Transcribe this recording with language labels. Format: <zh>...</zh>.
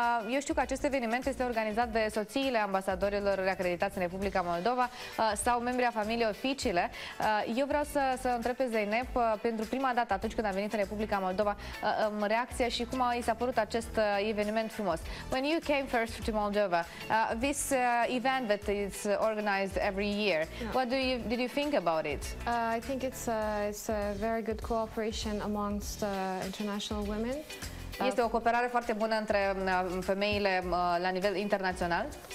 <ro>Eu știu că acest eveniment este organizat de soțiile ambasadorilor acreditați în Republica Moldova sau membrii familiei oficiile. Eu vreau să întreb pe Zeynep, pentru prima dată atunci când a venit în Republica Moldova, reacția și cum i s-a părut acest eveniment frumos.</ro> <en>When you came first to Moldova, this event that is organized every year, what did you think about it? I think it's a very good cooperation amongst international women.</en> <ro>Este o cooperare foarte bună între femeile la nivel internațional.</ro>